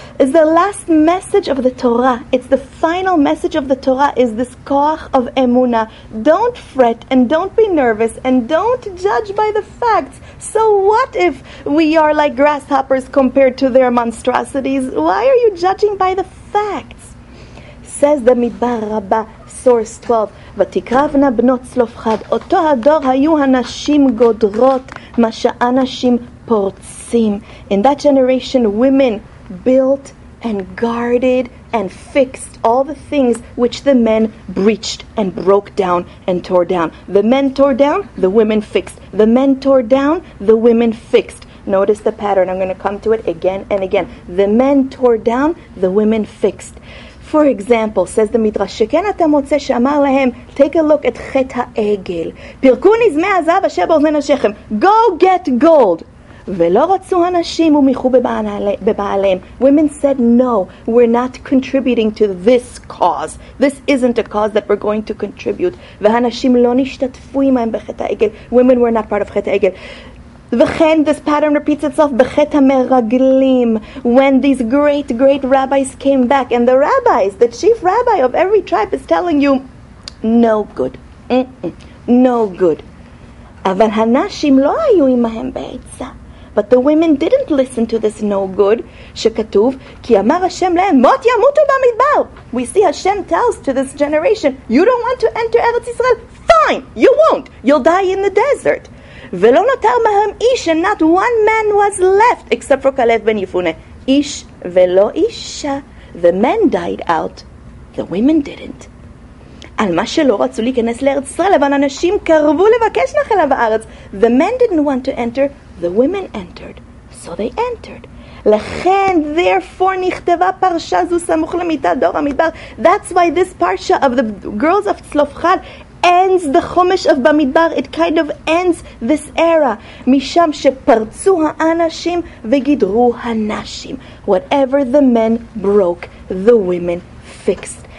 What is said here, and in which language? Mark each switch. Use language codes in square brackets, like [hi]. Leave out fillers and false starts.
[en] It's the last message of the Torah. It's the final message of the Torah is this koach of Emunah. Don't fret and don't be nervous and don't judge by the facts. So what if we are like grasshoppers compared to their monstrosities? Why are you judging by the facts? Says the Midbar Rabbah, Source 12. [he] ותקרבנה בנות צלופחד, אותו הדור היו הנשים גודרות, מה שאנשים פורצים. [en] In that generation, women built and guarded and fixed all the things which the men breached and broke down and tore down. The men tore down, the women fixed. The men tore down, the women fixed. Notice the pattern, I'm going to come to it again and again. The men tore down, the women fixed. For example, says the Midrash, [he] שכן אתה מוצא שאמר להם, [en] take a look at חטא העגל. [he] פירקו נזמי הזהב אשר באוזני נשיכם. [en] Go get gold. [he] ולא רצו הנשים ומיחו בבעליהם. [en] Women said, no, we're not contributing to this cause. This isn't a cause that we're going to contribute. [he] והנשים לא נשתתפו עמהם בחטא העגל. [en] Women were not part of חטא העגל. וכן, this pattern repeats itself בחטא המרגלים, when these great, great rabbis came back, and the rabbis, the chief rabbi of every tribe is telling you, no good, no good. [he] אבל הנשים לא היו עמהם בעצה. [en] But the women didn't listen to this no good, [he] שכתוב, כי אמר השם להם, מות ימותו במדבר. [en] We see Hashem tells to this generation, you don't want to enter Eretz Israel? Fine, you won't, you'll die in the desert. [he] ולא נותר מהם איש, [en] and not one man was left, except for Caleb ben Yefune. [he] איש ולא אישה. [en] The men died out, the women didn't. [he] על מה שלא רצו להיכנס לארץ ישראל, אבל אנשים קרבו לבקש נחלה בארץ. [en] The men didn't want to enter, the women entered, so they entered. [he] לכן, therefore, נכתבה פרשה זו סמוך למיטה דור המדבר. [en] That's why this parsha of the girls of Tzlofchad ends the Chumash of Bamidbar. It kind of ends this era. [he] Misham sheparzu haanashim vegidru hanashim. [en] Whatever the men broke, the women fixed.